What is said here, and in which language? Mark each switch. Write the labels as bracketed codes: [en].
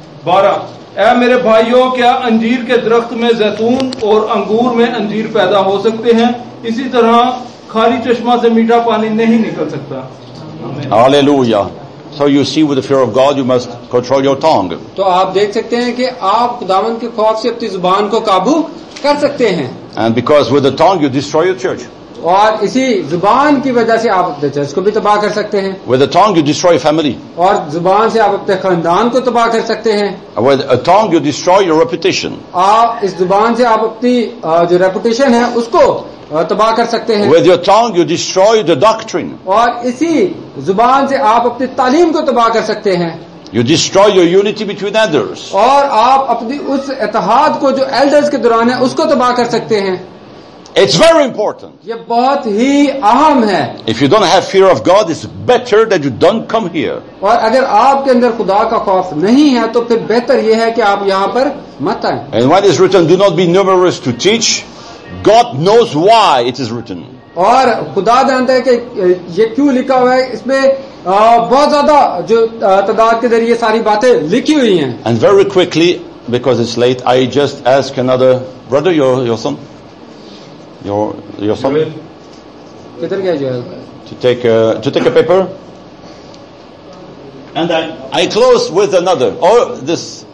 [ur] 12 اے میرے بھائیو کیا انجیر کے درخت میں زیتون اور انگور میں انجیر پیدا ہو سکتے ہیں؟ اسی طرح کھاری چشمہ سے میٹھا پانی نہیں نکل سکتا. [en] Hallelujah. So you see with the fear of God you must control your tongue. [ur] تو آپ دیکھ سکتے ہیں کہ آپ خداوند کے خوف سے اپنی زبان کو قابو کر سکتے ہیں. [en] And because with the tongue you destroy your church. [ur] اور اسی زبان کی وجہ سے آپ اپنے چرچ کو بھی تباہ کر سکتے ہیں. [en] With the tongue you destroy family. [ur] اور زبان سے آپ اپنے خاندان کو تباہ کر سکتے ہیں. [en] With a tongue you destroy your reputation. [ur] آپ اس زبان سے آپ اپنی جو ریپوٹیشن ہے اس کو تباہ کر سکتے ہیں. [en] With your tongue you destroy the doctrine. [ur] اور اسی زبان سے آپ اپنی تعلیم کو تباہ کر سکتے ہیں. [en] You destroy your unity between elders. [ur] اور آپ اپنی اس اتحاد کو جو elders کے دوران ہے اس کو تباہ کر سکتے ہیں. [en] It's very important. [ur] یہ بہت ہی اہم ہے. [en] If you don't have fear of God, it's better that you don't come here. [ur] اور اگر آپ کے اندر خدا کا خوف نہیں ہے تو پھر بہتر یہ ہے کہ آپ یہاں پر مت آئیں. [en] And when it's written, do not be numerous to teach. God knows why it is written. [ur] اور خدا جانتا ہے کہ یہ کیوں لکھا ہوا ہے. اس میں بہت زیادہ جو تعداد کے ذریعے ساری باتیں لکھی ہوئی ہیں. [en] And very quickly, because it's late, I just ask another brother, your son. Your son. [ur] Kitar gaya jo hai. [en] To take a paper. And I close with another. Oh, this.